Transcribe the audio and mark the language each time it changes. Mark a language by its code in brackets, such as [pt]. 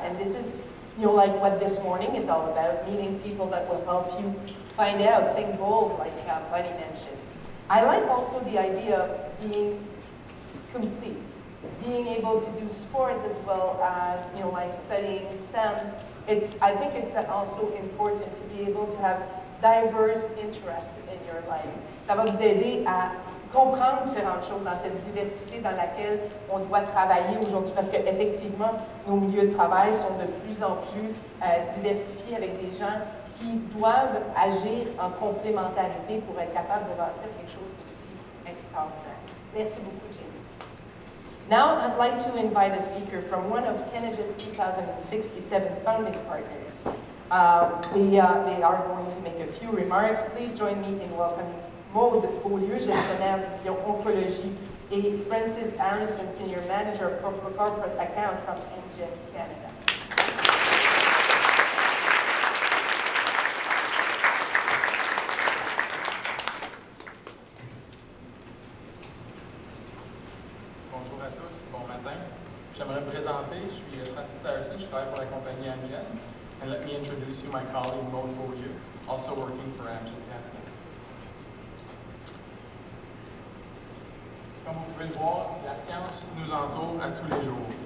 [en] And this is, you know, like what this morning is all about, meeting people that will help you find out, think bold, like Buddy mentioned. I like also the idea of being complete, being able to do sport as well as, you know, like studying STEMs. I think it's also important to be able to have diverse interests in your life. [fr] Ça va vous aider à comprendre différentes choses dans cette diversité dans laquelle on doit travailler aujourd'hui parce que effectivement nos milieux de travail sont de plus en plus diversifiés avec des gens qui doivent agir en complémentarité pour être capable de bâtir quelque chose d'aussi extraordinaire. Merci beaucoup, [en] Jamie. Now I'd like to invite a speaker from one of Canada's 2067 founding partners. They are going to make a few remarks. Please join me in welcoming Maud Paullieu, [fr] gestionnaire d'Ixion Oncologie, et [en] Francis Harrison, Senior Manager of Corporate Accounts from NGEN Canada. [fr] Bonjour à tous, bon matin. J'aimerais me présenter, je suis Francis Harrison, je travaille pour la compagnie NGEN. [en] And let me introduce you my colleague Maud Paullieu, also working for NGEN Canada. [fr] Comme vous pouvez le voir, la science nous entoure à tous les jours.